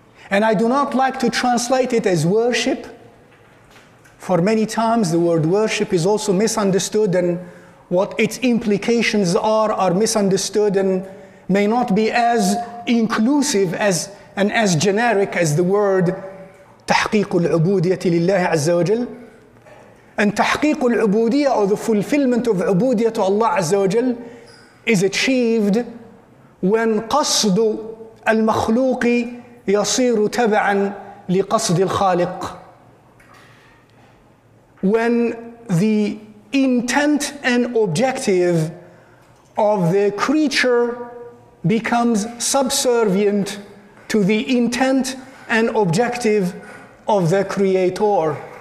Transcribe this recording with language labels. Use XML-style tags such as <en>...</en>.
<en>And I do not like to translate it as worship, for many times the word worship is also misunderstood, and what its implications are misunderstood and may not be as inclusive as and as generic as the word</en> <ar>تحقيق العبودية لله عز وجل.</ar> <en>And تحقيق العبودية, or the fulfillment of عبودية to Allah عز وجل, is achieved when</en> <ar>قصد المخلوق يصير تبعا لقصد الخالق.</ar> <en>When the intent and objective of the creature becomes subservient to the intent and objective of the Creator.</en>